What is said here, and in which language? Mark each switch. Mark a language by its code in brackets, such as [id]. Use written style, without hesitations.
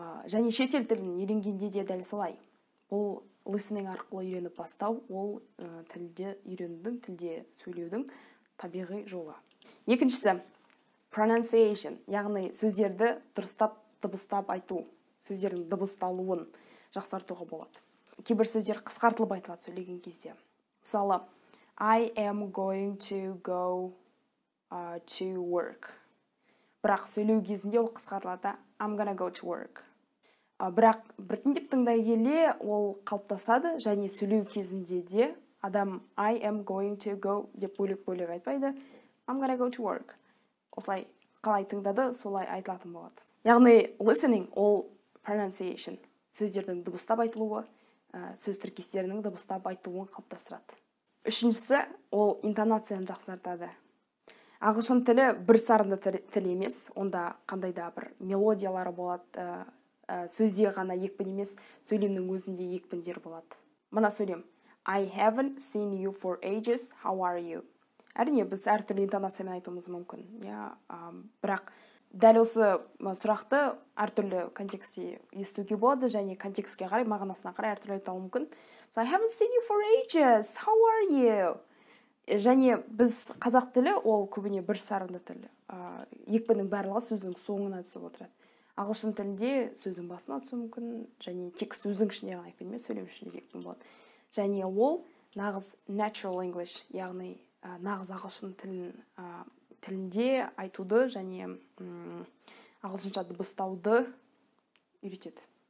[kk] Және шетел тілін үйренгенде де дәл солай. Бұл listening арқылы үйреніп бастау, ол тілде үйренудің, тілде сөйлеудің табиғи жолы. Екіншісі pronunciation, яғни сөздерді дұрыстап дыбыстап айту, сөздердің дыбысталуын жақсартуға болады. Кейбір сөздер қысқартылып айтылады сөйлеген кезде. Мысалы, [en] I am going to go to work. [kk] Бірақ сөйлеу кезінде ол қысқартылады, [en] I'm gonna go to work. [kk] Бірақ біртіндеп тыңдай келе ол қалыптасады, және сөйлеу кезінде де адам [en] I am going to go [kk] деп бөлек-бөлек айтпайды, [en] I'm gonna go to work. [kk] Осылай қалай тыңдады, солай айтылатын болады. Яғни, listening ол pronunciation, сөздердің дыбыстап айтылуы, сөз тіркестерінің дыбыстап айтылуын қалыптастырады. Үшіншісі, ол интонацияны жақсартады. Ағылшын тілі бір сарынды тіл емес, онда қандай да бір мелодиялары болады, сөзде ғана екпін емес, сөйлемнің өзінде екпіндер болады. [en] Мына сөйлем, I haven't seen you for ages, how are you? [kk] Әрине, біз әртүрлі интонациямен айтуымыз мүмкін, бірақ дәл осы сұрақты әртүрлі контексте естуге болады, және контекстке қарай, мағынасына қарай әртүрлі айтауы мүмкін. [en] So, I haven't seen you for ages, how are you? [kk] Және біз қазақ тілі, ол көбіне бір сарынды тіл. Екпінің барлығы сөздің соңына түсіп отырады. Ағылшын тілінде сөздің басына түсу мүмкін, және тек сөздің ішінде ғана екпін емес, сөйлем ішінде екпін болады. Және ол нағыз natural English, яғни нағыз ағылшын тілін тілінде айтуды және ағылшынша дыбыстауды үйретеді.